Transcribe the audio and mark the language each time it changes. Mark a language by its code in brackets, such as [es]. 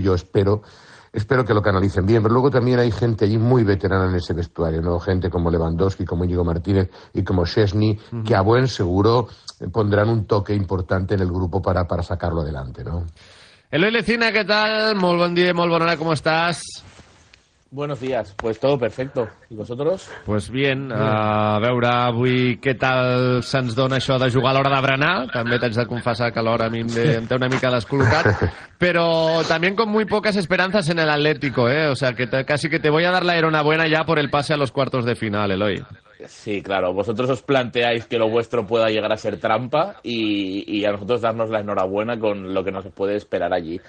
[es] Yo espero que lo canalicen bien, pero luego también hay gente allí muy veterana en ese vestuario, ¿no? Gente como Lewandowski, como Íñigo Martínez y como Szczęsny, que a buen seguro pondrán un toque importante en el grupo para sacarlo adelante, ¿no? Eloy Lecina, ¿qué tal? Muy buen día, muy buena hora, ¿cómo estás? Buenos días, pues todo perfecto. ¿Y vosotros? Pues bien, [ca] a veure avui què tal se'ns dona això de jugar a l'hora de berenar. També t'haig de confessar que l'hora a mi em té una mica descol·locat. [es] Pero también con muy pocas esperanzas en el Atlético, ¿eh? O sea, que casi que te voy a dar la enhorabuena ya por el pase a los cuartos de final, Eloy. Sí, claro. Vosotros os planteáis que lo vuestro pueda llegar a ser trampa y a nosotros darnos la enhorabuena con lo que nos puede esperar allí.